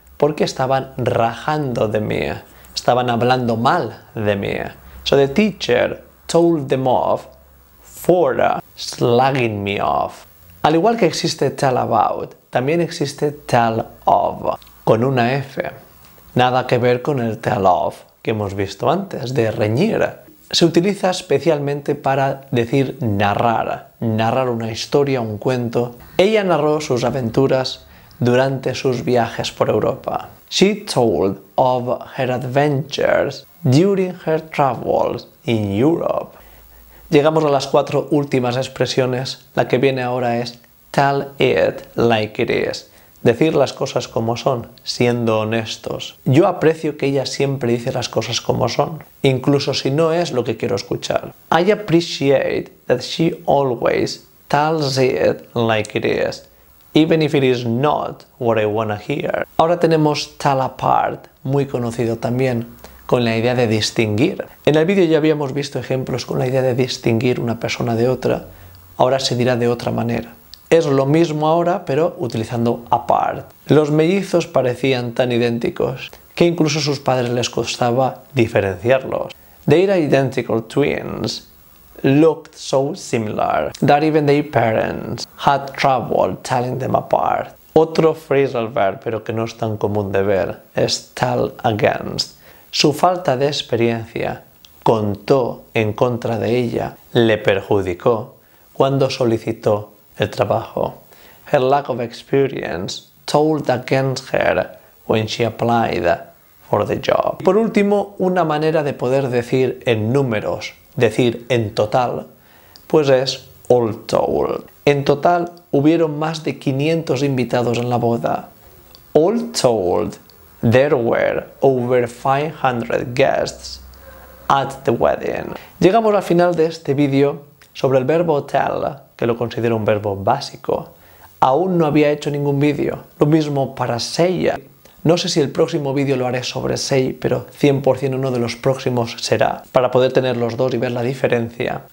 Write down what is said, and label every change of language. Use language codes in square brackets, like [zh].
[es] porque estaban rajando de mí, estaban hablando mal de mí. [en] So the teacher told them off for slagging me off. [es] Al igual que existe tell about, también existe tell of, con una F. Nada que ver con el tell of que hemos visto antes, de reñir. Se utiliza especialmente para decir narrar, narrar una historia, un cuento. Ella narró sus aventuras durante sus viajes por Europa. [en] She told of her adventures during her travels in Europe. [es] Llegamos a las cuatro últimas expresiones. La que viene ahora es tell it like it is. Decir las cosas como son, siendo honestos. Yo aprecio que ella siempre dice las cosas como son, incluso si no es lo que quiero escuchar. [en] I appreciate that she always tells it like it is, even if it is not what I want to hear. [es] Ahora tenemos tell apart, muy conocido también, con la idea de distinguir. En el vídeo ya habíamos visto ejemplos con la idea de distinguir una persona de otra. Ahora se dirá de otra manera. Es lo mismo ahora, pero utilizando apart. Los mellizos parecían tan idénticos que incluso a sus padres les costaba diferenciarlos. [en] Their identical twins looked so similar that even their parents had trouble telling them apart. [es] Otro phrasal verb, pero que no es tan común de ver, es tell against. Su falta de experiencia contó en contra de ella, le perjudicó cuando solicitó el trabajo. [en] Her lack of experience told against her when she applied for the job. [es] Y por último, una manera de poder decir en números, decir en total, pues es all told. En total hubieron más de 500 invitados en la boda. [en] All told, there were over 500 guests at the wedding. [es] Llegamos al final de este vídeo sobre el verbo tell, que lo considero un verbo básico. Aún no había hecho ningún vídeo. Lo mismo para say. No sé si el próximo vídeo lo haré sobre say, pero 100% uno de los próximos será, para poder tener los dos y ver la diferencia.